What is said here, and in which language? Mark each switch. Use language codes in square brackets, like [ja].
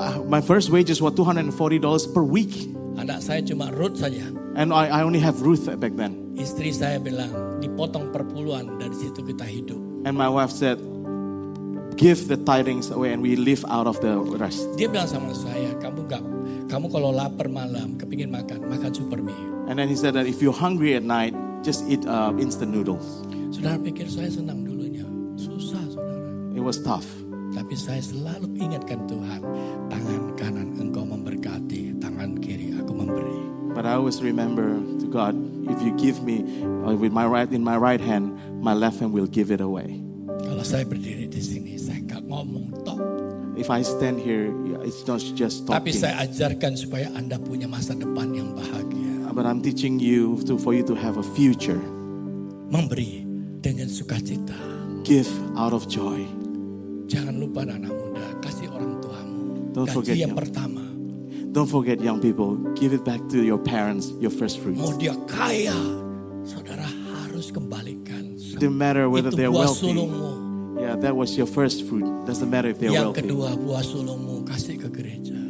[en] My first wages were $240 per week. [id] Anak saya cuma Ruth saja. [en] And I only have Ruth back then. [id] Istri saya bilang, dipotong perpuluhan, dari situ kita hidup. [en] And my wife said, give the tidings away and we live out of the rest. [id] Dia bilang sama saya, kamu kalau lapar malam, kepingin makan, makan super mie. [en] And then he said that if you're hungry at night, just eat instant noodles. [id] Saudara pikir saya senang dulunya. Susah, Saudara. [en] It was tough. [id] Tapi saya selalu ingatkan Tuhan, tangan kanan engkau memberkati, tangan kiri aku memberi. [en] But I always remember to God, if you give me with my right in my right hand, my left hand will give it away. [id] Kalau saya berdiri di sini, saya gak ngomong tok. [en] If I stand here, it's not just talking. [id] Tapi saya ajarkan supaya Anda punya masa depan yang bahagia. [en] But I'm teaching you to for you to have a future. [id] Memberi dengan sukacita. [en] Give out of joy. [id] Jangan lupa anak muda, kasih orang tuamu. Don't gaji forget yang young. Pertama. [en] Don't forget young people. Give it back to your parents, your first fruits. [id] Mau dia kaya, Saudara harus kembalikan. [en] It doesn't matter whether they're wealthy. [id] Itu buah sulungmu. [en] Yeah, that was your first fruit. Doesn't matter if they're [id] yang [en] wealthy. [id] Yang kedua buah sulungmu kasih ke gereja.